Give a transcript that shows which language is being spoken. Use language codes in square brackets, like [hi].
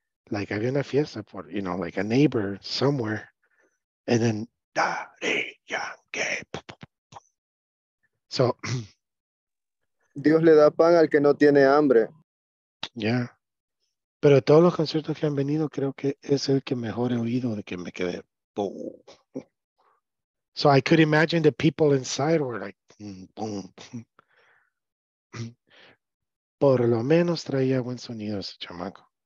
[en] Like, [es] había una fiesta por, [en] you know, like a neighbor somewhere. And then, Daddy Yankee. So. [es] Dios le da pan al que no tiene hambre. [en] Yeah. [es] Pero todos los conciertos que han venido, creo que es el que mejor he oído de que me quedé. Boom. [en] So I could imagine the people inside were like, boom. [es] Por lo menos traía buen sonido ese chamaco.